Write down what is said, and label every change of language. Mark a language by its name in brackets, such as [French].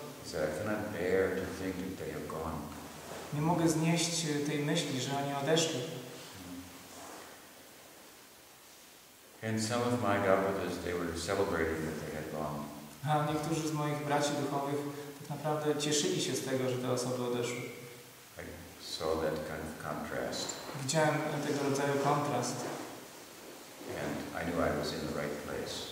[English] So I cannot bear to think that they have gone. [Polish] Nie mogę znieść tej myśli, że oni odeszli. [English] And some of my godbrothers, they were celebrating that they had gone. [Polish] A niektórzy z moich braci duchowych tak naprawdę cieszyli się z tego, że te osoby odeszły. [English] Saw that kind of contrast. [Polish] Widziałem tego rodzaju kontrast. [English] And I knew I was in the right place.